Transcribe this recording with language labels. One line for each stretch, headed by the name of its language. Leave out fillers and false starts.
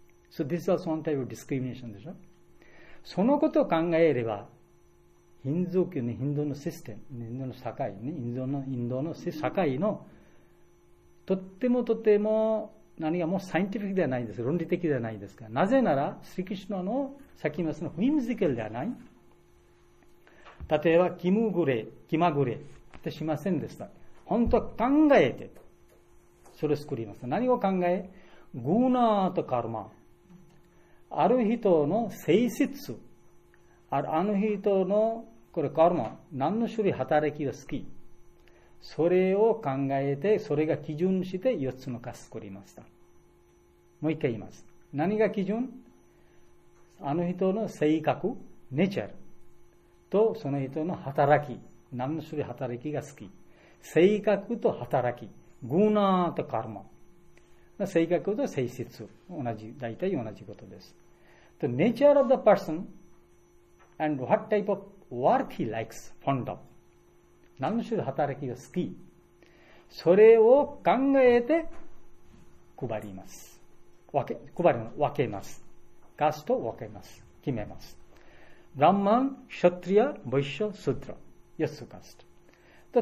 English: So this is also one type of discrimination
Japanese: でしょ？そのことを考えれば、ヒンズー教のヒンドーのシステム、ヒンドーの社会、ね、ヒンドーの社会のとってもとても何がもうサイエンティフィックではないです、論理的ではないですが、なぜなら、スリクシュナの先言いますのウィムジカルではない。例えば、キムグレ、キマグレってしませんでした。本当は考えて、それを作ります。何を考え？グーナーとカルマ。ある人の性質、あの人のこれカルマ、何の種類働きが好き、それを考えて、それが基準して4つのカスを作りました。もう一回言います。何が基準？あの人の性格、ネチャルとその人の働き、何の種類働きが好き。性格と働き、グーナーとカルマ。性格と性質、同じ、大体同じことです。
English: The nature of the person and what type of work he likes, fond of.
Japanese: 何の種類働きが好き。それを考えて配ります。分けます。カーストを分けます。決めます。ブラマン、シャトリア、ボイシャ、スートラ。4つカースト。